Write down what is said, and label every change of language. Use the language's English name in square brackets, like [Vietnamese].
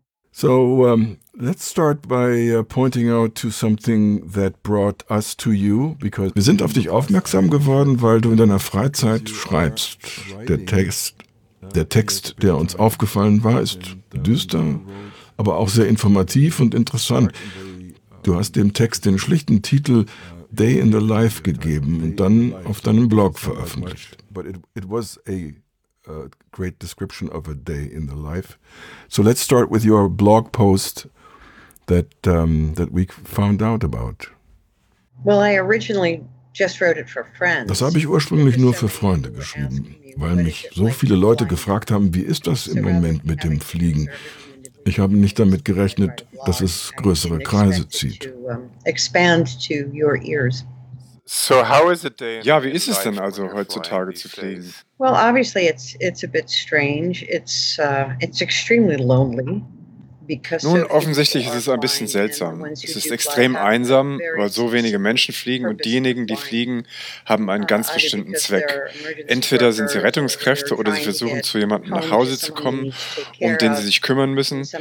[English] So, let's start by pointing out to something that brought us to you, because [German] wir sind auf dich aufmerksam geworden, weil du in deiner Freizeit schreibst. Der Text, der uns aufgefallen war, ist düster, aber auch sehr informativ und interessant. Du hast dem Text den schlichten Titel Day in the Life gegeben und dann auf deinem Blog veröffentlicht. [English] A great description of a day in the life. So let's start with your blog post that we found out about. Well, I originally just wrote it for friends. [German] Das habe ich ursprünglich nur für Freunde geschrieben, weil mich so viele Leute gefragt haben, wie ist das im Moment mit dem Fliegen? Ich habe nicht damit gerechnet, dass es größere Kreise zieht. [English] Expand to your ears. So how is it, Dave? [German] Ja, wie ist es denn also heutzutage zu fliegen? [English] Well, obviously it's a bit strange. It's extremely lonely. [German] Nun, offensichtlich ist es ein bisschen seltsam. Es ist extrem einsam, weil so wenige Menschen fliegen und diejenigen, die fliegen, haben einen ganz bestimmten Zweck. Entweder sind sie Rettungskräfte oder sie versuchen, zu jemandem nach Hause zu kommen, um den sie sich kümmern müssen.